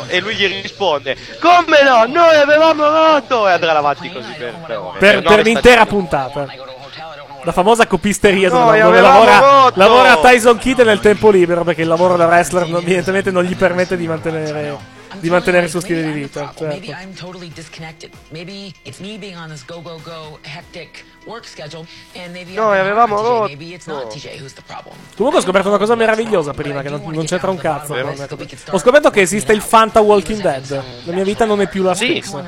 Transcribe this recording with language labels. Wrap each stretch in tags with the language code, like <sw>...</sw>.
<it>E lui gli risponde, come no, noi avevamo rotto! E andrà avanti così per l'intera puntata. La famosa copisteria dove lavora Tyson Kidd nel tempo libero, perché il lavoro da wrestler evidentemente non gli permette di mantenere di mantenere il suo stile di vita. Certo.</it> <en>Maybe I'm totally disconnected. Maybe it's me being on this go-go-go hectic work schedule. And maybe</en> <it>no, avevamo</it> <en>TJ. Maybe it's not TJ who's the problem.</en> <it>Comunque ho scoperto una cosa meravigliosa prima, che non c'entra un cazzo. Ho scoperto che esiste il Fanta Walking Dead. La mia vita non è più la stessa.</it>